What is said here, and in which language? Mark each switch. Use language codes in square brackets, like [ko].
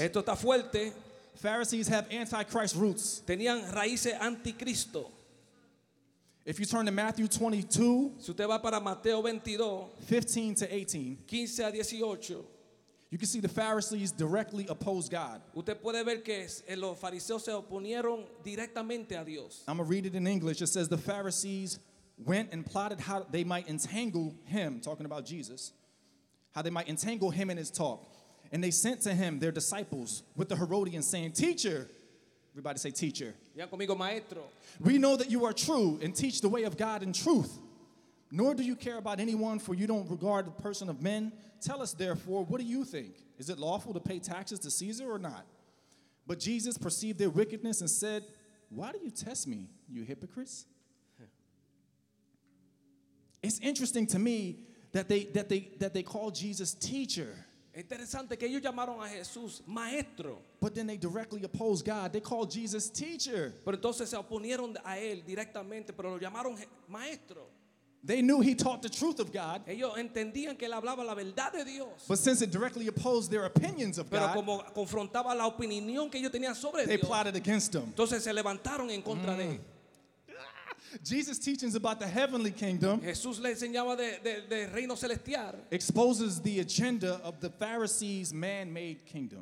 [es] Esto está fuerte. [en] Pharisees have antichrist roots. [es] Tenían raíces anticristo. [en] If you turn to Matthew 22, [es] si usted va para Mateo 22, [en] 15 to 18, [es] 15 a 18, [en] you can see the Pharisees directly oppose God. [es] Usted puede ver que los fariseos se oponieron directamente a Dios. [en] I'm going to read it in English. It says the Pharisees went and plotted how they might entangle him, talking about Jesus, how they might entangle him in his talk. And they sent to him their disciples with the Herodians saying, teacher, everybody say teacher. [es] Ya conmigo, maestro. [en] We know that you are true and teach the way of God in truth. Nor do you care about anyone, for you don't regard the person of men. Tell us therefore, what do you think? Is it lawful to pay taxes to Caesar or not? But Jesus perceived their wickedness and said, why do you test me, you hypocrites? It's interesting to me that they call Jesus teacher. [es] Interesante que ellos llamaron a Jesús maestro. [en] But then they directly oppose God. They call Jesus teacher. [es] Pero entonces se oponieron a él directamente, pero lo llamaron maestro. [en] They knew he taught the truth of God. [es] Ellos entendían que él hablaba la verdad de Dios. [en] But since it directly opposed their opinions of [es] pero [en] God, [es] como confrontaba la opinión que ellos tenían sobre [en] they [es] Dios, [en] plotted against him. [es] Entonces se levantaron en contra de él. [en] Jesus' teachings about the heavenly kingdom [es] Jesús le enseñaba de reino celestial [en] exposes the agenda of the Pharisees' man-made kingdom.